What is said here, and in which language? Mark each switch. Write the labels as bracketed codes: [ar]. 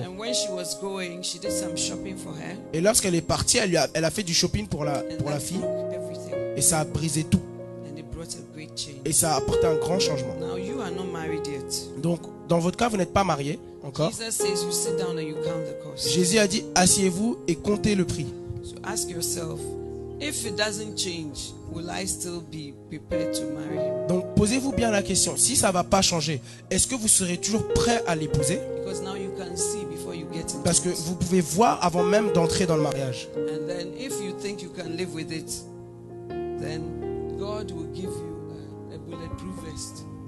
[en] And when she was going, she did some shopping for her. [fr] Et lorsqu'elle est partie, elle a fait du shopping pour la fille. [en] Everything. [fr] Et ça a brisé tout. [en] And it brought a great change. [fr] Et ça a apporté un grand changement. [en] Now you are not married yet. [fr] Donc dans votre cas, vous n'êtes pas marié. Encore. [en] Jesus says, you sit down and you count the cost. [fr] Jésus a dit, asseyez-vous et comptez le prix. [en] So ask yourself, if it doesn't change, will I still be prepared to marry him? [fr] Donc posez-vous bien la question, si ça va pas changer, est-ce que vous serez toujours prêt à l'épouser? [en] Because now you can see before you get into. [fr] Parce que vous pouvez voir avant même d'entrer dans le mariage. [en] And then if you think you can live with it, then God will give you a bulletproof vest.